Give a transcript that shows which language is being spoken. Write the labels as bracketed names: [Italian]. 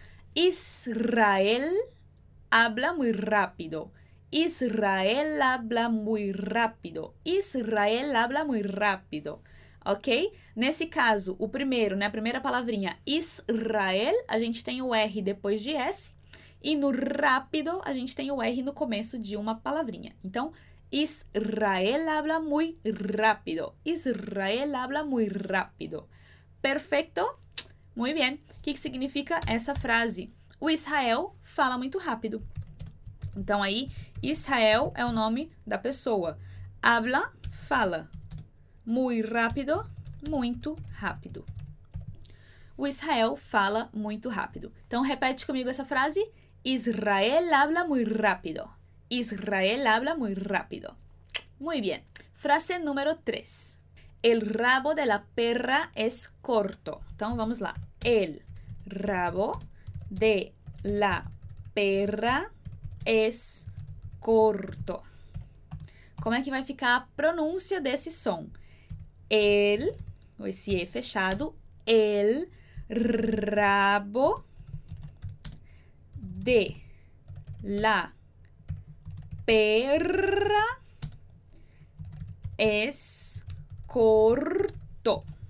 [Spanish] Israel habla muy rápido. Israel habla muy rápido. Israel habla muy rápido. Ok? [Portuguese] Nesse caso, o primeiro, né? A primeira palavrinha, Israel, a gente tem o R depois de S. E no rápido, a gente tem o R no começo de uma palavrinha. [Spanish] Então, Israel habla muy rápido. Israel habla muy rápido. [Portuguese] Perfeito? [Spanish] Muy bien. [Portuguese] O que significa essa frase? O Israel fala muito rápido. Então, aí, Israel é o nome da pessoa. [Spanish] Habla, [Portuguese] fala. [Spanish] Muy rápido, [Portuguese] muito rápido. O Israel fala muito rápido. Então, repete comigo essa frase. [Spanish] Israel habla muy rápido. Israel habla muy rápido. Muy bien. [Portuguese] Frase número 3. [Spanish] El rabo de la perra es corto. [Portuguese] Então, vamos lá. [Spanish] El rabo de la perra es corto. [Portuguese] Como é que vai ficar a pronúncia desse som? [Spanish] El, [Portuguese] ou esse E fechado, [Spanish] el rabo de la perra es corto.